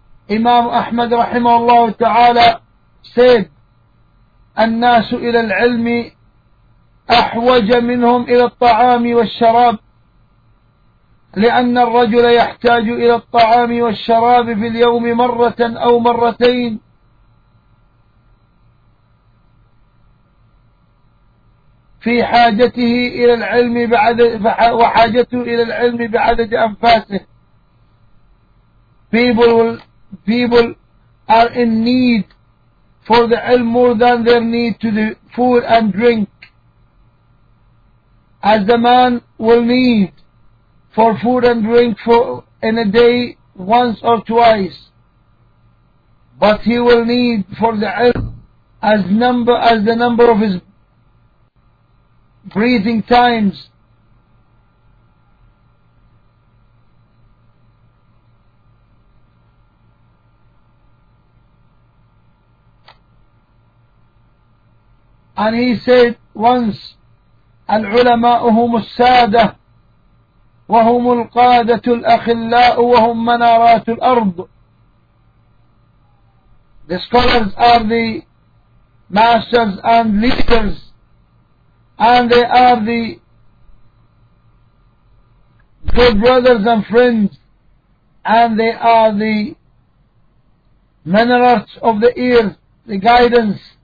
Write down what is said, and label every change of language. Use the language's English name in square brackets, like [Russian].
[English] Imam Ahmad rahimahullah ta'ala said [Arabic] الناس إلى العلم أحوج منهم إلى الطعام والشراب لأن الرجل يحتاج إلى الطعام والشراب في اليوم مرة أو مرتين. في حاجته إلى العلم بعد وحاجته إلى العلم بعدد أنفاسه. [English] People are in need for the ilm more than their need to the food and drink. As the man will need for food and drink for in a day once or twice, but he will need for the ilm as the number of his breathing times. And he said once, [Arabic] العلماء هم السادة وهم القادة الأخلاء وهم منارات الأرض. [English] The scholars are the masters and leaders, and they are the good brothers and friends, and they are the minarets of the earth, the guidance.